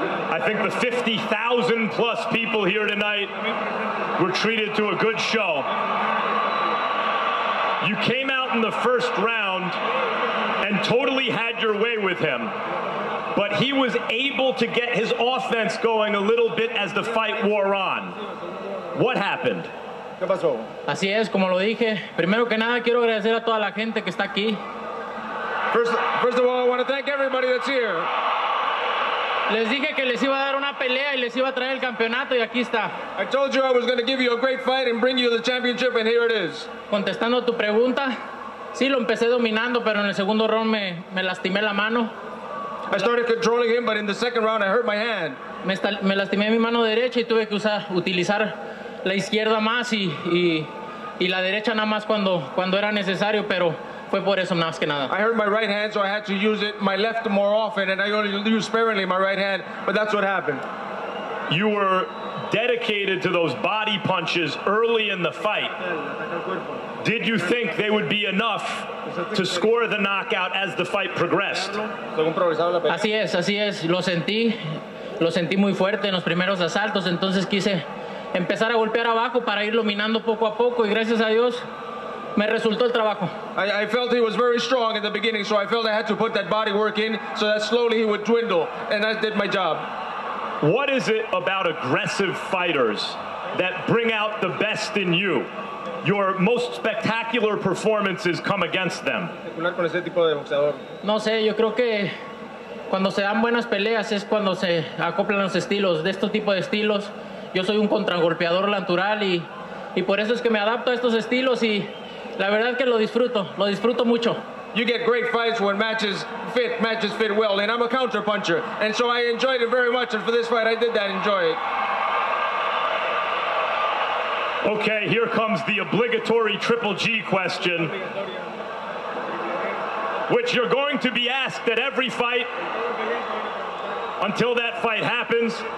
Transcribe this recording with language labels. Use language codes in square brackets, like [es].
[en] I think the 50,000 plus people here tonight were treated to a good show. You came out in the first round and totally had your way with him, but he was able to get his offense going a little bit as the fight wore on. What happened? [es] Así es, como lo dije. Primero que nada, quiero agradecer a toda la gente que está aquí. [en] First of all, I want to thank everybody that's here. [es] Les dije que les iba a dar una pelea y les iba a traer el campeonato y aquí está. [en] I told you I was going to give you a great fight and bring you the championship and here it is. [es] Contestando a tu pregunta, sí, lo empecé dominando, pero en el segundo round me lastimé la mano. [en] I started controlling him, but in the second round I hurt my hand. [es] Me lastimé mi mano derecha y tuve que utilizar la izquierda más y la derecha nada más cuando era necesario, pero... Fue por eso, más que nada. [en] I hurt my right hand, so I had to use it, my left more often, and I only use sparingly my right hand, but that's what happened. You were dedicated to those body punches early in the fight. Did you think they would be enough to score the knockout as the fight progressed? [es] Así es, así es. Lo sentí muy fuerte en los primeros asaltos, entonces quise empezar a golpear abajo para ir dominando poco a poco, y gracias a Dios, me resultó el trabajo. [en] I felt he was very strong in the beginning, so I felt I had to put that body work in so that slowly he would dwindle, and I did my job. What is it about aggressive fighters that bring out the best in you? Your most spectacular performances come against them. [es] No sé, yo creo que cuando se dan buenas peleas es cuando se acoplan los estilos. De este tipo de estilos, yo soy un contragolpeador natural y por eso es que me adapto a estos estilos y... La verdad que lo disfruto mucho. [en] You get great fights when matches fit well, and I'm a counter puncher, and so I enjoyed it very much, and for this fight I did that enjoy it. Okay, here comes the obligatory Triple G question, which you're going to be asked at every fight until that fight happens.